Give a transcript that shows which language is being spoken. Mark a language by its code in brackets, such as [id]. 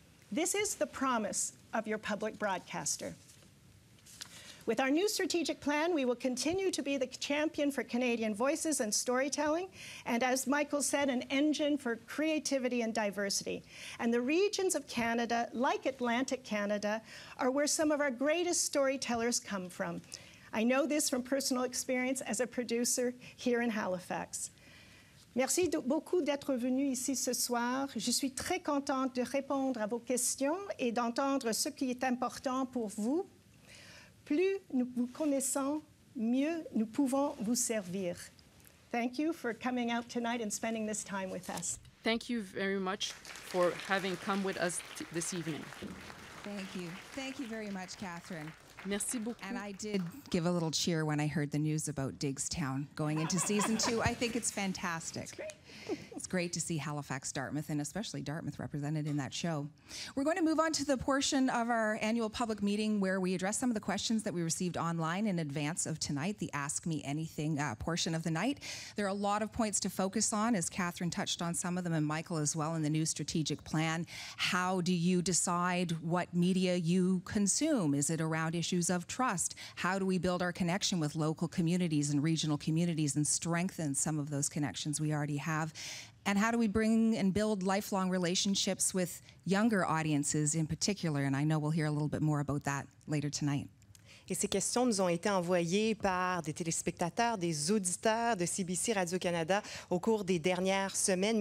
[en] This is the promise of your public broadcaster. With our new strategic plan, we will continue to be the champion for Canadian voices and storytelling, and as Michael said, an engine for creativity and diversity. And the regions of Canada, like Atlantic Canada, are where some of our greatest storytellers come from. I know this from personal experience as a producer here in Halifax. [fr] Merci beaucoup d'être venu ici ce soir. Je suis très contente de répondre à vos questions et d'entendre ce qui est important pour vous. Plus nous vous connaissons, mieux nous pouvons vous servir. [en] Thank you for coming out tonight and spending this time with us. Thank you very much for having come with us this evening. Thank you. Thank you very much, Catherine. [fr] Merci beaucoup. [en] And I did give a little cheer when I heard the news about Digstown going into season two. I think it's fantastic. It's great to see Halifax, Dartmouth, and especially Dartmouth represented in that show. We're going to move on to the portion of our annual public meeting where we address some of the questions that we received online in advance of tonight, the Ask Me Anything portion of the night. There are a lot of points to focus on, as Catherine touched on some of them, and Michael as well, in the new strategic plan. How do you decide what media you consume? Is it around issues of trust? How do we build our connection with local communities and regional communities and strengthen some of those connections we already have? And how do we bring and build lifelong relationships with younger audiences in particular? And I know we'll hear a little bit more about that later tonight. [fr] Et ces questions nous ont été envoyées par des téléspectateurs, des auditeurs de CBC Radio-Canada au cours des dernières semaines.